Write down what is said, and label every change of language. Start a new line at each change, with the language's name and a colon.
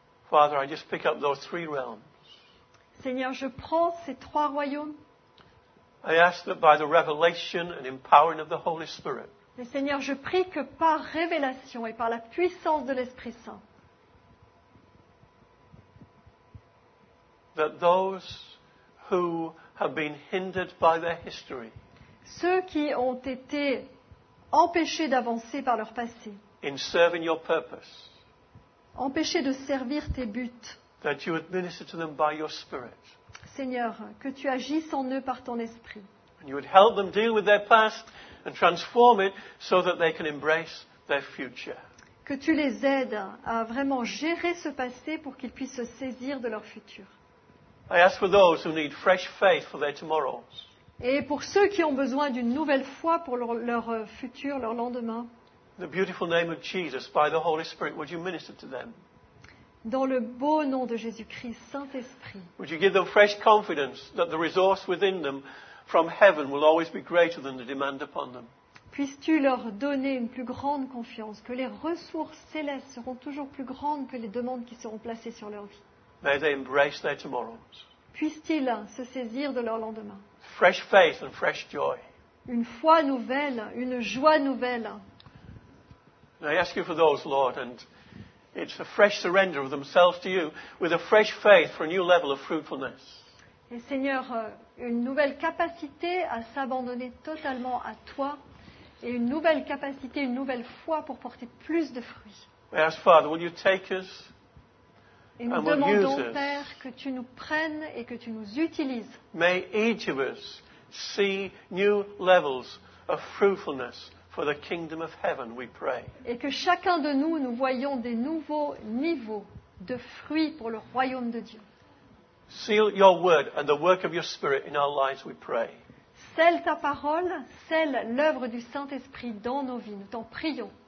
English: Father, I just pick up those three realms.
French: Seigneur, je prends ces trois royaumes.
English: I ask that by the revelation and empowering of the Holy Spirit.
French: Et Seigneur, je prie que par révélation et par la puissance de l'Esprit Saint.
English: That those who have been hindered by their history.
French: Ceux qui ont été empêchés d'avancer par leur passé.
English: In serving your purpose.
French: Empêcher de servir tes buts.
English: That you administer to them by your spirit.
French: Seigneur, que tu agisses en eux par ton esprit.
English: And you would help them deal with their past and transform it so that they can embrace their future.
French: Que tu les aides à vraiment gérer ce passé pour qu'ils puissent se saisir de leur futur.
English: I ask for those who need fresh faith for their tomorrows.
French: Et pour ceux qui ont besoin d'une nouvelle foi pour leur futur, leur lendemain.
English: The beautiful name of Jesus, by the Holy Spirit, would you minister to them?
French: Dans le beau nom de Jésus-Christ, Saint-Esprit.
English: Would you give them fresh confidence that the resource within them from heaven will always be greater than the demand upon them?
French: Puisses-tu leur donner une plus grande confiance que les ressources célestes seront toujours plus grandes que les demandes qui seront placées sur leur vie?
English: May they embrace their tomorrows.
French: Puissent-ils se saisir de leur lendemain?
English: Fresh faith and fresh joy.
French: Une foi nouvelle, une joie nouvelle.
English: I ask you for those, Lord, and it's a fresh surrender of themselves to you with a fresh faith for a new level of fruitfulness.
French: Et Seigneur, une nouvelle capacité à s'abandonner totalement à toi et une nouvelle capacité, une nouvelle foi pour porter plus de fruits.
English: I ask, Father, will you take us?
French: Et nous demandons, Père, que tu nous prennes et que tu nous utilises.
English: May each of us see new levels of fruitfulness for the kingdom of heaven, we pray.
French: Et que chacun de nous, nous voyons des nouveaux niveaux de fruits pour le royaume de Dieu.
English: Seal your word and the work of your spirit in our lives, we pray.
French: Scelle ta parole, scelle l'œuvre du Saint-Esprit dans nos vies, nous t'en prions.